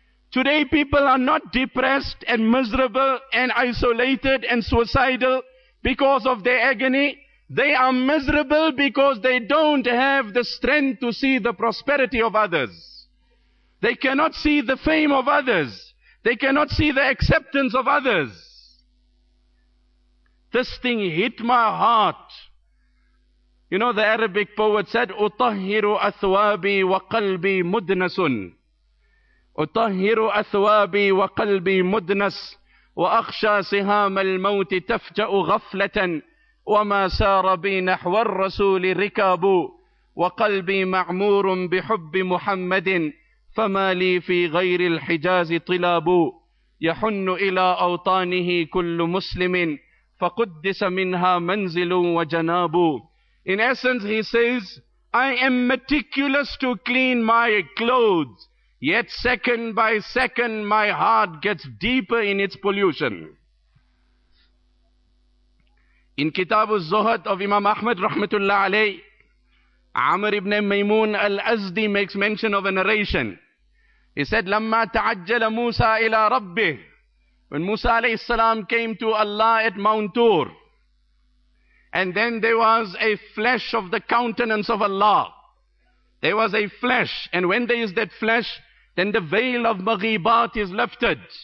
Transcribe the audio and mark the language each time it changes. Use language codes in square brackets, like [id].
[en] Today people are not depressed and miserable and isolated and suicidal because of their agony. They are miserable because they don't have the strength to see the prosperity of others. They cannot see the fame of others. They cannot see the acceptance of others. This thing hit my heart. You know, the Arabic poet said, [ar] أُطَهِّرُ أَثْوَابِي وَقَلْبِي مُدْنَسٌ أُطَهِّرُ أَثْوَابِي وَقَلْبِي مُدْنَسٌ وَأَخْشَى سِهَامَ الْمَوْتِ تَفْجَأُ غَفْلَةً وَمَا سَارَ بِي نَحْوَ الرَّسُولِ رِكَابُ وَقَلْبِي مَعْمُورٌ بِحُبِّ مُحَمَّدٍ فَمَا لِي فِي غَيْرِ الْحِجَازِ طِلَابُ يَحُنُّ إِلَى أَوْطَانِهِ كُلُّ مُسْلِمٍ فَقُدِّسَ مِنْهَا مَنْزِلٌ وَجَنَابُ. [en] In essence, he says, I am meticulous to clean my clothes, yet second by second my heart gets deeper in its pollution. In Kitab al-Zuhd of Imam Ahmad rahmatullah alayh, Amr ibn Maymun al-Azdi makes mention of a narration. He said, [ar] لَمَّا تَعَجَّلَ مُوسَى إِلَىٰ رَبِّهِ. [en] When Musa alayhi salam came to Allah at Mount Tur, and then there was a flesh of the countenance of Allah. There was a flesh, and when there is that flesh, then the veil of Maghibat is lifted.